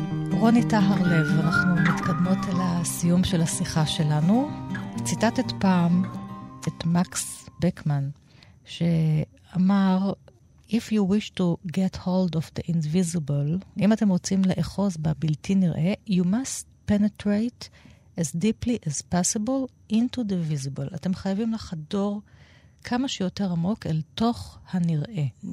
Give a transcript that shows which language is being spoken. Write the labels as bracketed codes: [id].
[he] רוני טהר לב, אנחנו מתקדמות אל הסיום של השיחה שלנו. ציטטת פעם את מקס בקמן, שאמר, [en] If you wish to get hold of the invisible, [he] אם אתם רוצים לאחוז בבלתי נראה, [en] you must penetrate as deeply as possible into the visible. [he] אתם חייבים לחדור כמה שיותר עמוק אל תוך הנראה.